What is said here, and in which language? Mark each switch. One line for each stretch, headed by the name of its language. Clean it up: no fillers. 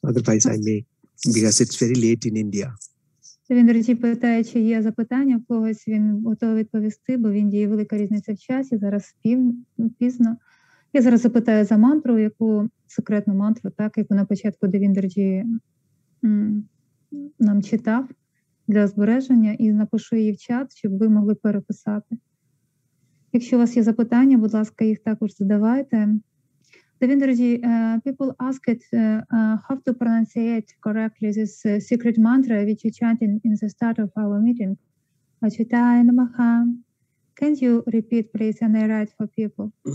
English: Otherwise I may, because it's very late in India.
Ukrainian: Він, до речі, питає, чи є запитання в когось, він готовий відповісти, бо в Індії велика різниця в часі, зараз пізно. Я зараз запитаю за мантру, яку секретну мантру, так, яку на початку Девіндерджі нам читав. для збереження і напишу її в чат, щоб ви могли переписати. Якщо у вас є запитання, будь ласка, їх також задавайте.
English: Devindraji, people ask it, how to pronounce it correctly, this secret mantra which you chant in the start of our meeting.
Sanskrit: Ачитай намаха.
English: Can you repeat, please, and I write for people?